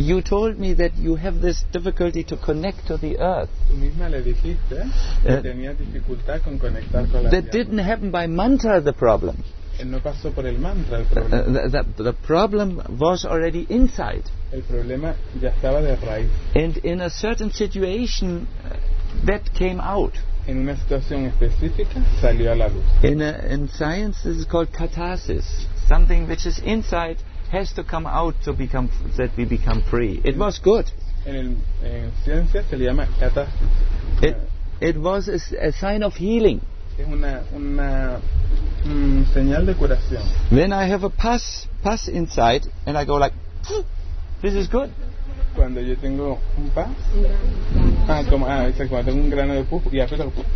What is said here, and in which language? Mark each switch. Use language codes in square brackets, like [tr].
[en] You told me that you have this difficulty to connect to the earth. [es] Tú misma le dijiste que tenía dificultad con conectar con la [en] that [es] tierra. [en] Didn't happen by mantra, the problem. [es] No pasó por el mantra, el problema. [en] The problem was already inside. [es] El problema ya estaba de raíz. [en] And in a certain situation, that came out. [es] En una situación específica salió a la luz. [en] In science this is called catharsis. Something which is inside has to come out to become that we become free. It was good. [es] En ciencia se le llama catharsis. [en] It was a sign of healing. [es] Es una señal de curación. [en] When I have a pus inside and I go like, this is good. [es] Cuando yo tengo un pus, cuando tengo un grano de pus y aprieto.